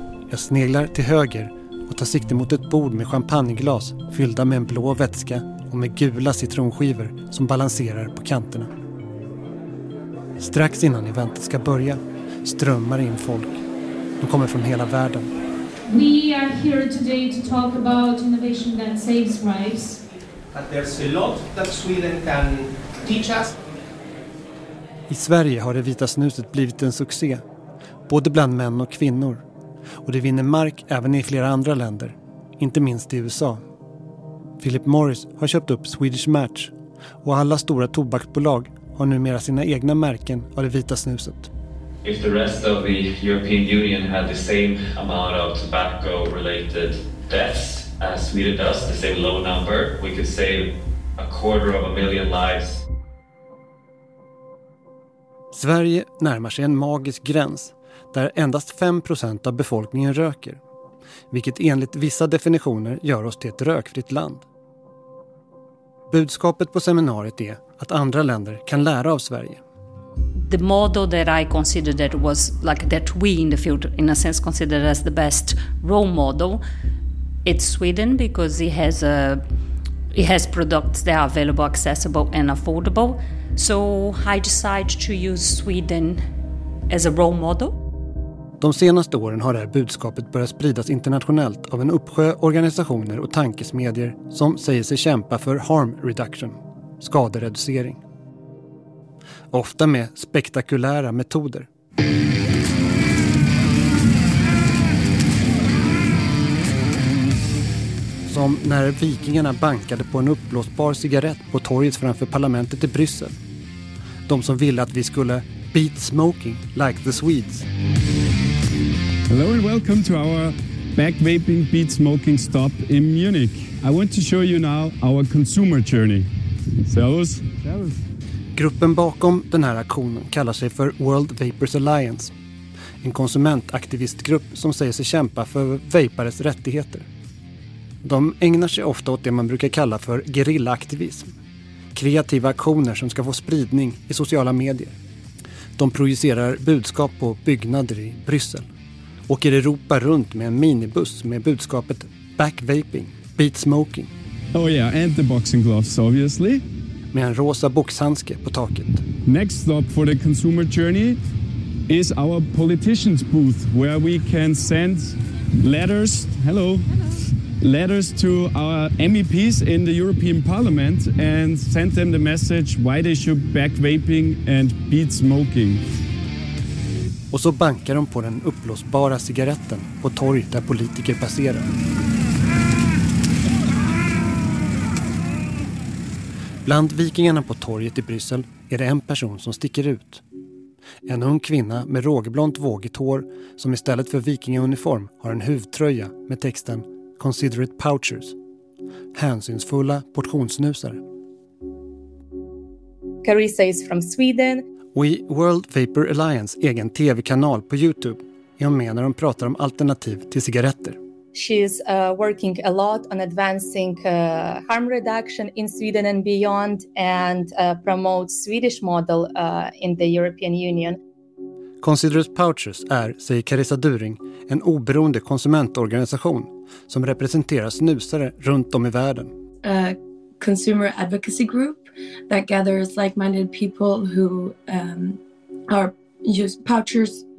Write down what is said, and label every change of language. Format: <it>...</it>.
<sv>Jag sneglar till höger och tar sikte mot ett bord med champagneglas fyllda med en blå vätska och med gula citronskivor som balanserar på kanterna. Strax innan eventet ska börja strömmar in folk. De kommer från hela världen.</sv> <en>We are here today to talk about innovation that saves lives. But there's a lot that Sweden can teach us.</en> <sv>I Sverige har det vita snuset blivit en succé, både bland män och kvinnor. Och det vinner mark även i flera andra länder, inte minst i USA. Philip Morris har köpt upp Swedish Match och alla stora tobaksbolag har numera sina egna märken av det vita snuset.</sv> <en>If the rest of the European Union had the same amount of tobacco related deaths as Sweden does, the same low number, we could save a quarter of a million lives.</en> <sv>Sverige närmar sig en magisk gräns där endast 5% av befolkningen röker, vilket enligt vissa definitioner gör oss till ett rökfritt land. Budskapet på seminariet är att andra länder kan lära av Sverige.</sv> <en>The model that I considered that was like that we in the field in a sense considered as the best role model, it's Sweden because it has products that are available, accessible and affordable. So I decided to use Sweden as a role model.</en> <sv>De senaste åren har det här budskapet börjat spridas internationellt av en uppsjö organisationer och tankesmedier som säger sig kämpa för harm reduction, skadereducering. Ofta med spektakulära metoder. Som när vikingarna bankade på en uppblåsbar cigarett på torget framför parlamentet i Bryssel. De som ville att vi skulle</sv> <en>beat smoking like the Swedes. Hello and welcome to our back vaping beat smoking stop in Munich. I want to show you now our consumer journey.</en> <de>Servus. Servus.</de> <sv>Gruppen bakom den här aktionen kallar sig för World Vapers Alliance. En konsumentaktivistgrupp som säger sig kämpa för vapares rättigheter. De ägnar sig ofta åt det man brukar kalla för gerillaaktivism. Kreativa aktioner som ska få spridning i sociala medier. De projicerar budskap på byggnader i Bryssel. Åker Europa runt med en minibuss med budskapet</sv> <en>back vaping, beat smoking. Oh yeah, and the boxing gloves obviously.</en> <sv>Med en rosa boxhandske på taket.</sv> <en>Next stop for the consumer journey is our politicians booth where we can send letters. Hello. Hello. Letters to our MEPs in the European Parliament and send them the message why they should back vaping and beat smoking.</en> <sv>Och så bankar de på den uppblåsbara cigaretten på torget där politiker passerar. Bland vikingarna på torget i Bryssel är det en person som sticker ut. En ung kvinna med rågblont vågigt hår som istället för vikingauniform har en huvtröja med texten Considerate Pouchers. Hänsynsfulla portionssnusare.</sv> <en>Carissa is from Sweden.</en> <sv>Och i World Vapor Alliance egen tv-kanal på YouTube är hon med när de pratar om alternativ till cigaretter.</sv> <en>She's working a lot on advancing harm reduction in Sweden and beyond and promote Swedish model in the European Union.</en> <sv>Considerate Pouchers är, säger Carissa During, en oberoende konsumentorganisation som representerar snusare runt om i världen.</sv> <en>A consumer advocacy group that gathers like-minded people who are use pouchers.</en>